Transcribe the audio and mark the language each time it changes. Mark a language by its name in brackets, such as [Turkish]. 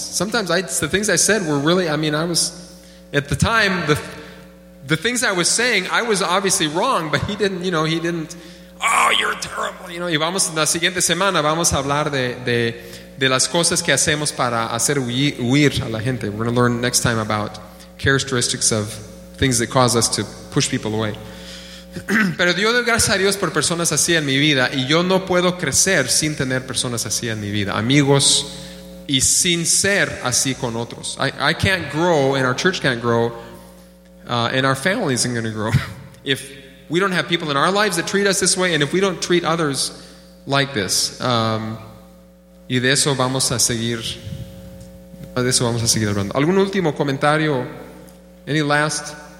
[English] Sometimes the things I said were really, I mean, I was, at the time, the things I was saying, I was obviously wrong, but he didn't, you know, he didn't, oh, you're terrible, you know. [Spanish] Y vamos, la siguiente semana vamos a hablar de las cosas que hacemos para hacer huir a la gente. [English] We're going to learn next time about characteristics of things that cause us to push people away. [Spanish] Pero yo doy gracias a Dios por personas así en mi vida, y yo no puedo crecer sin tener personas así en mi vida, amigos, y sin ser así con otros. [English] I can't grow, and our church can't grow, and our family isn't going to grow if we don't have people in our lives that treat us this way, and if we don't treat others like this. [Spanish] Y de eso vamos a seguir. De eso vamos a seguir hablando. ¿Algún último comentario? [English] Any last?